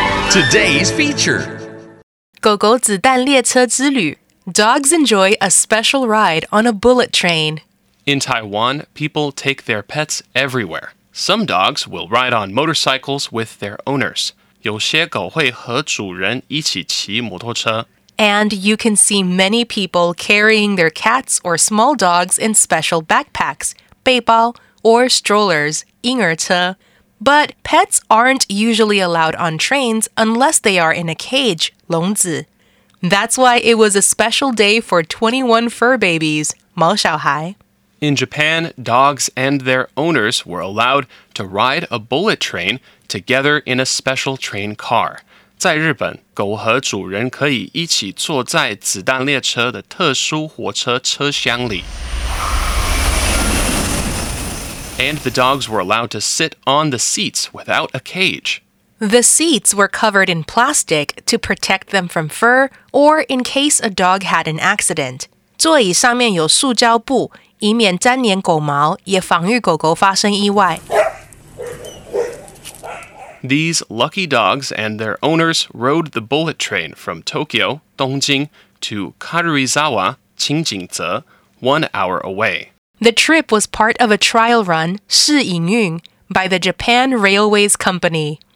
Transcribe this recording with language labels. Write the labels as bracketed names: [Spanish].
[English] Today's feature. [Chinese] 狗狗子弹列车之旅. [English] Dogs enjoy a special ride on a bullet train. In Taiwan, people take their pets everywhere. Some dogs will ride on motorcycles with their owners. [Chinese] 有些狗会和主人一起骑摩托车。 [English] And you can see many people carrying their cats or small dogs in special backpacks, 背包 or strollers, 婴儿车。 But pets aren't usually allowed on trains unless they are in a cage, 笼子。 That's why it was a special day for 21 fur babies, 毛小孩。 In Japan, dogs and their owners were allowed to ride a bullet train together in a special train car. [Chinese] 在日本，狗和主人可以一起坐在子弹列车的特殊火车车厢里。 [English] And the dogs were allowed to sit on the seats without a cage. The seats were covered in plastic to protect them from fur or in case a dog had an accident. [Chinese] 座椅上面有塑胶布，以免沾粘狗毛，也防御狗狗发生意外。 [English] These lucky dogs and their owners rode the bullet train from Tokyo, Dongjing, to Karuizawa, Qingjingze, 1 hour away. The trip was part of a trial run, 试营运, by the Japan Railways Company.